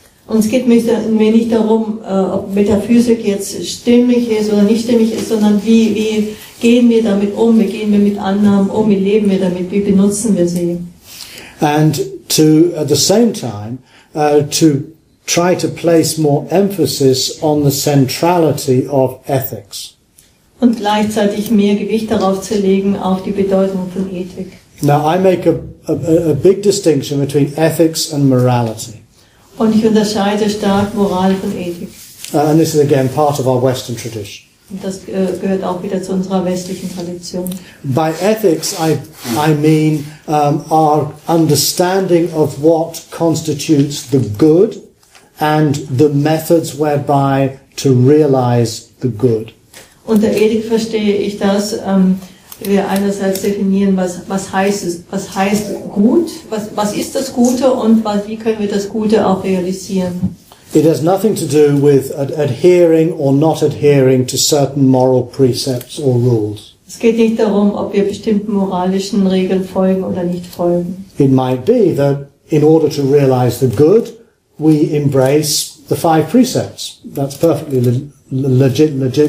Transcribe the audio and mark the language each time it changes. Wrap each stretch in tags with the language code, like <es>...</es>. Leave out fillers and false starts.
<de>Uns geht mir nicht darum, ob Metaphysik jetzt stimmig ist oder nicht stimmig ist, sondern wie gehen wir damit um, wie gehen wir mit Annahmen um, wie leben wir damit, wie benutzen wir sie?</de> <en>And to, at the same time, to try to place more emphasis on the centrality of ethics.</en> <de>Und gleichzeitig mehr Gewicht darauf zu legen, auf die Bedeutung von Ethik.</de> <en>Now I make a big distinction between ethics and morality.</en> <de>Und ich unterscheide stark Moral von Ethik.</de> <en>And this is again part of our Western tradition.</en> <de>Das gehört auch wieder zu unserer westlichen Tradition.</de> <en>By ethics, I mean our understanding of what constitutes the good and the methods whereby to realize the good.</en> <de>Unter Ethik verstehe ich das, wir einerseits definieren, was heißt gut, was ist das Gute und wie können wir das Gute auch realisieren.</de> <en>It has nothing to do with adhering or not adhering to certain moral precepts or rules.</en> <de>Es geht nicht darum, ob wir bestimmten moralischen Regeln folgen oder nicht folgen.</de> <en>It might be that in order to realize the good, we embrace the 5 precepts. That's perfectly legitimate.</en>